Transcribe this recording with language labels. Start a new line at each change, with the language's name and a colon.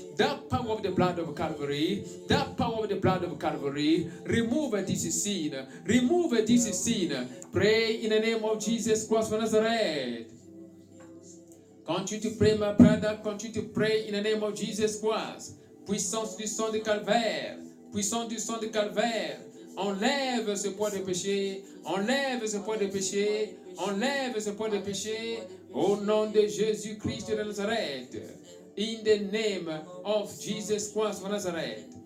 English: That power of the blood of Calvary, that power of the blood of Calvary, remove this sin. Remove this sin. Pray in the name of Jesus Christ of Nazareth. Continue to pray, my brother. Continue to pray in the name of Jesus Christ.
French: Puissance du sang de Calvaire. Puissance du sang de Calvaire. Enlève ce poids de péché, enlève ce poids de péché, enlève ce poids de péché, au nom de Jésus-Christ de Nazareth.
English: In the name of Jesus Christ of Nazareth.